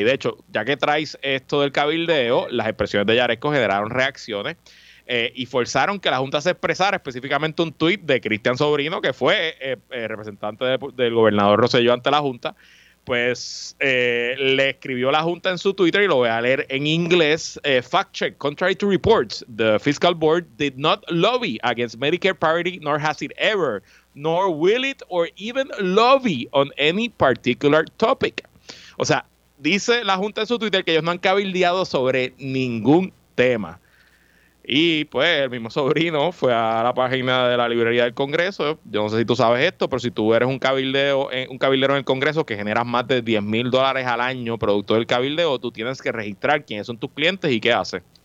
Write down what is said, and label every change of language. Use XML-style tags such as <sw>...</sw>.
<es>Y de hecho, ya que traes esto del cabildeo, las expresiones de Yaresco generaron reacciones y forzaron que la Junta se expresara, específicamente un tuit de Cristian Sobrino, que fue representante del gobernador Rosselló ante la Junta. Pues le escribió la Junta en su Twitter, y lo voy a leer en inglés.</es> <en>Fact check: contrary to reports, the fiscal board did not lobby against Medicare parity, nor has it ever, nor will it, or even lobby on any particular topic.</en> <es>O sea, dice la Junta en su Twitter que ellos no han cabildeado sobre ningún tema. Y pues el mismo Sobrino fue a la página de la librería del Congreso. Yo no sé si tú sabes esto, pero si tú eres un cabildero en el Congreso que generas más de $10,000 al año producto del cabildeo, tú tienes que registrar quiénes son tus clientes y qué hace.</es>